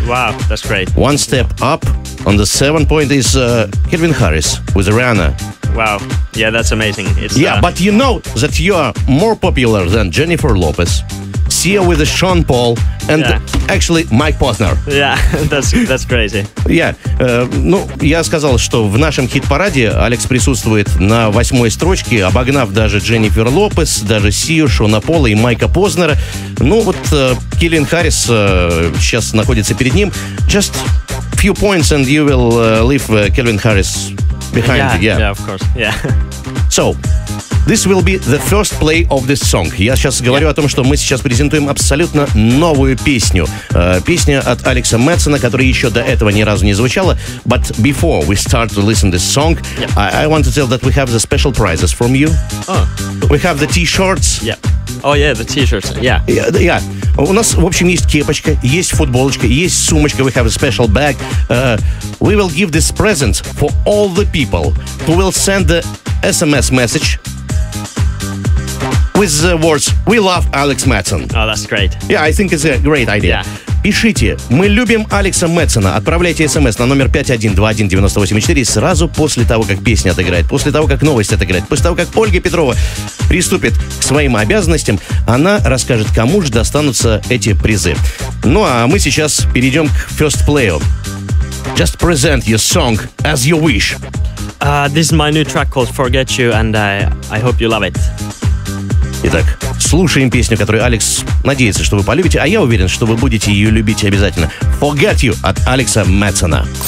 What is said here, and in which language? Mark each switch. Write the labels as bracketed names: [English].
[English] Wow, that's great. One step up on the 7 point is Calvin Harris with Rihanna. Wow, yeah, that's amazing. But you know that you are more popular than Jennifer Lopez, Sia with Sean Paul, and actually Mike Posner. Yeah, that's crazy. [Russian] Yeah, ну, я сказал, что в нашем хит-параде Алекс присутствует на 8-й строчке, обогнав даже Дженнифер Лопес, даже Сию, Шона Пола и Майка Познера. Ну вот, Келлин Харрис сейчас находится перед ним. [English] Just few points and you will leave Келлин Харрис behind. Yeah, of course, yeah. So... This will be the first play of this song. [Russian] Я сейчас говорю о том, что мы сейчас презентуем абсолютно новую песню. Песня от Алекса Мэтсона, которая еще до этого ни разу не звучала. [English] But before we start to listen this song, I want to tell that we have the special prizes from you. Oh. We have the t-shirts. Yeah. Oh, yeah, the t-shirts, yeah. [Russian] Yeah. У нас, в общем, есть кепочка, есть футболочка, есть сумочка, [English] we have a special bag. We will give this present for all the people who will send the SMS message with the words, we love Alex Mattson. Oh, that's great. Yeah, I think it's a great idea. Yeah. [Russian] Пишите, мы любим Алекса Мэтсона. Отправляйте смс на номер 512184 сразу после того, как песня отыграет, после того, как новость отыграет, после того, как Ольга Петрова приступит к своим обязанностям, она расскажет, кому же достанутся эти призы. Ну, а мы сейчас перейдем к [English] first play. Just present your song as you wish. This is my new track called Forget You, and I hope you love it. [Russian] Итак, слушаем песню, которую Алекс надеется, что вы полюбите, а я уверен, что вы будете ее любить обязательно. Forget You от Алекса Мэтсона.